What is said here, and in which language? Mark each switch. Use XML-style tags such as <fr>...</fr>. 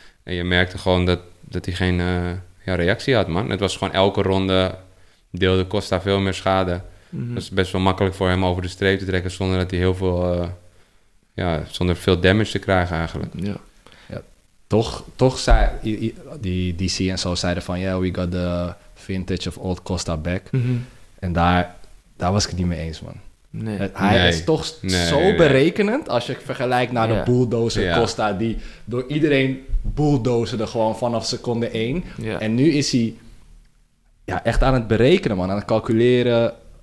<nl>En je merkte gewoon dat hij geen reactie had, man. Het was gewoon elke ronde deelde Costa veel meer schade. Mm-hmm. Dat is best wel makkelijk voor hem over de streep te trekken zonder dat hij heel veel... zonder veel damage te krijgen eigenlijk. Ja. Ja. Toch zei die DC en zo zeiden van...</nl> <en>Yeah, we got the vintage of old Costa back. Mm-hmm.</en> <nl>En daar was ik het niet mee eens, man. Nee. Hij is toch berekenend als je vergelijkt naar de bulldozer Costa... die door iedereen bulldozerde gewoon vanaf seconde 1. Ja. En nu is hij echt aan het berekenen, man. Aan het calculeren.</nl>